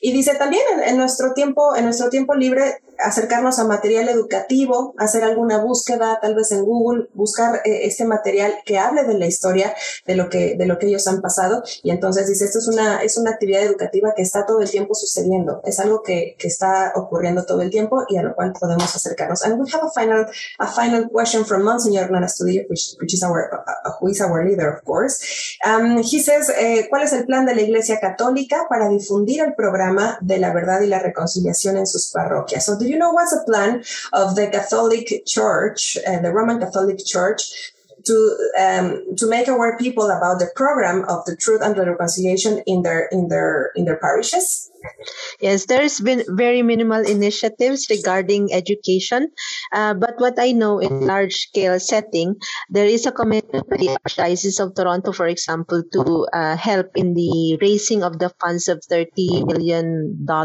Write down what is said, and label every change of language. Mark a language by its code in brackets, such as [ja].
[es] Y dice también en nuestro tiempo libre, acercarnos a material educativo, hacer alguna búsqueda, tal vez en Google, buscar este material que hable de la historia, de lo que ellos han pasado. Y entonces dice, esto es una actividad educativa que está todo el tiempo sucediendo. Es algo que está ocurriendo todo el tiempo y a lo cual podemos acercarnos. [en] And we have a final question from Monsignor Hernán Astudillo, who is our leader, of course. He says, [es] ¿cuál es el plan de la Iglesia Católica para difundir el programa de la verdad y la reconciliación en sus parroquias? [en] So do you know what's the plan of the Catholic Church, the Roman Catholic Church, to make aware people about the program of the truth and reconciliation in their parishes? Yes, there's been very minimal initiatives regarding education, but what I know in large scale setting, there is a commitment by the Archdiocese of Toronto, for example, to help in the raising of the funds of $30 million.